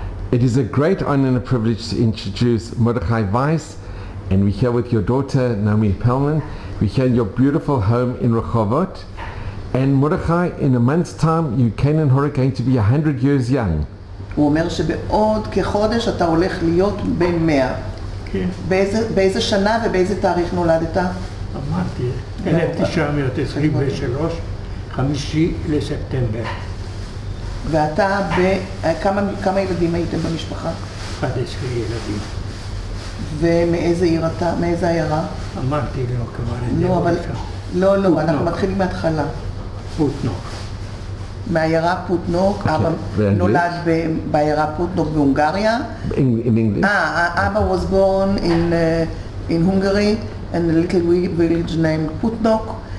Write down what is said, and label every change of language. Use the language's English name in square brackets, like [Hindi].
[English] It is a great honor and a privilege to introduce Mordechai Weisz, and we're here with your daughter, Naomi Pellman. We're here in your beautiful home in Rehovot. And Mordechai, in a month's time, you came in Hungary going to be 100 years young. [Hebrew] הוא אומר שבעוד כחודש אתה הולך להיות בן 100. באיזה שנה ובאיזה תאריך נולדת? אמרתי, 1923, 5 לספטמבר. ואתה, כמה ילדים הייתם במשפחה? 11 ילדים. ומאיזה עיר אתה? מאיזה עיירה? אמרתי לו כבר. לא, אבל... לא, לא, אנחנו מתחילים מההתחלה. פוטנוק. מהעיירה פוטנוק, אבא נולד בעיירה פוטנוק בהונגריה. [English] אבא was born in Hungary, in a little village named פוטנוק.